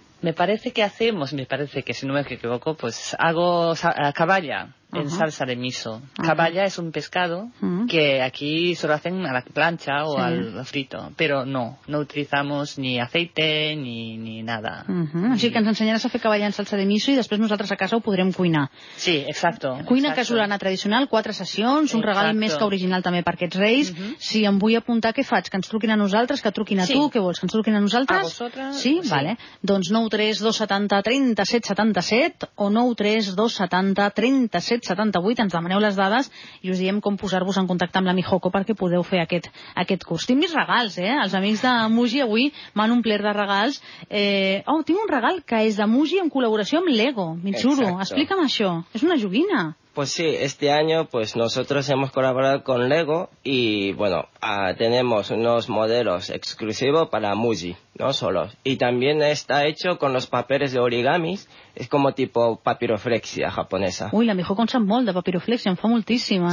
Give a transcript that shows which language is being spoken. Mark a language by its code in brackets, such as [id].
[es] Me parece que, si no me equivoco, pues hago caballa en salsa de miso. Caballa es un pescado que aquí solo hacen a la plancha o al frito, pero no utilizamos ni aceite ni nada. Así que nos enseñarás a hacer caballa en salsa de miso y después nosotros a casa lo podremos cuinar. Sí, exacto. [ca] Cuina casolana tradicional, 4 sessions, un regal més que original també per aquests Reis. Si em vull apuntar, què faig? Que ens truquin a nosaltres, que truquin a tu, què vols? Que ens truquin a nosaltres? A vosaltres. Sí, vale. Doncs 93-270-3777 o 93-270-3778, ens demaneu les dades i us diem com posar-vos en contacte amb la Mihoko perquè podeu fer aquest curs. Tinc més regals, els amics de Muji avui m'han omplert de regals. Tinc un regal que és de Muji en col·laboració amb Lego, Mitsuru. [es] Exacto. [ca] Explica'm això, és una joguina. [es] Pues sí, este año pues nosotros hemos colaborado con Lego y bueno, tenemos unos modelos exclusivos para Muji, no solos. Y también está hecho con los papeles de origamis, es como tipo papiroflexia japonesa. Uy, la mejor con chambol de papiroflexia, me fue muchísima.